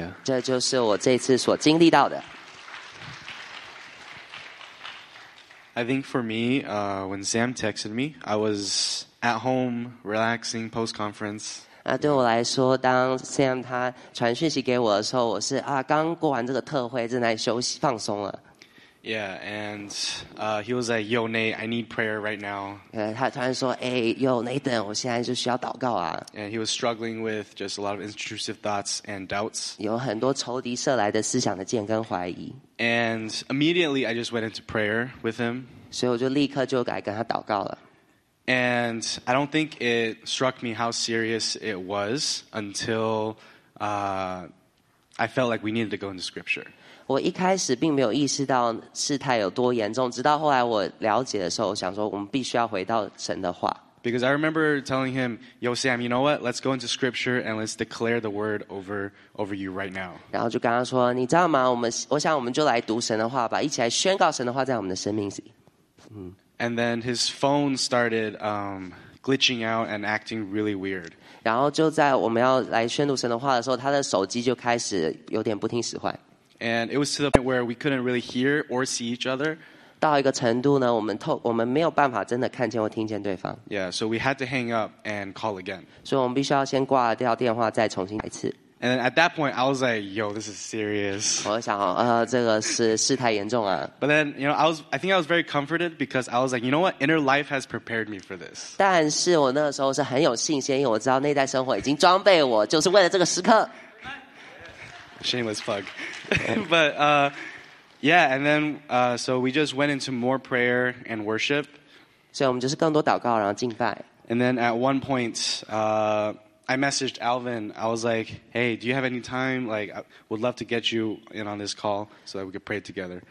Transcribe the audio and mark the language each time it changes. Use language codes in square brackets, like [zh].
[en] Yeah. [zh] 这就是我这次所经历到的。 [en] I think for me, when Sam texted me, I was at home relaxing post conference. [zh] 那对我来说，当 Sam 他传讯息给我的时候，我是啊，刚过完这个特会，正在休息放松了。 [en] Yeah, and he was like, "Yo, Nate, I need prayer right now." [zh] 他突然说，哎 ，Yo, Nathan, 我现在就需要祷告啊。 [en] And he was struggling with just a lot of intrusive thoughts and doubts. [zh] 有很多仇敌射来的思想的箭跟怀疑。 [en] And immediately, I just went into prayer with him. [zh] 所以我就立刻就来跟他祷告了。 [en] And I don't think it struck me how serious it was until I felt like we needed to go into scripture. [zh] 我一开始并没有意识到事态有多严重，直到后来我了解的时候，我想说我们必须要回到神的话。 [en] Because I remember telling him, "Yo, Sam, you know what? Let's go into Scripture and let's declare the word over you right now." [zh] 然后就跟他说，你知道吗？我想我们就来读神的话吧，一起来宣告神的话在我们的生命里。 [en] And then his phone started glitching out and acting really weird. [zh] 然后就在我们要来宣读神的话的时候，他的手机就开始有点不听使唤。 [en] And it was to the point where we couldn't really hear or see each other. [zh] 到一个程度呢，我们没有办法真的看见或听见对方。 [en] Yeah, so we had to hang up and call again. [zh] 所以我们必须要先挂掉电话，再重新来一次。 [en] And at that point, I was like, "Yo, this is serious." [zh] 我想，这个是事态严重啊。 [en] But then, you know, I think I was very comforted because I was like, "You know what? Inner life has prepared me for this." [zh] 但是我那个时候是很有信心，因为我知道内在生活已经装备我，就是为了这个时刻。 [en] Shameless plug, but. Yeah, and then so we just went into more prayer and worship. [zh] 所以我们就是更多祷告，然后敬拜。 [en] And then at one point, I messaged Alvin. I was like, "Hey, do you have any time? Like, I would love to get you in on this call so that we could pray together."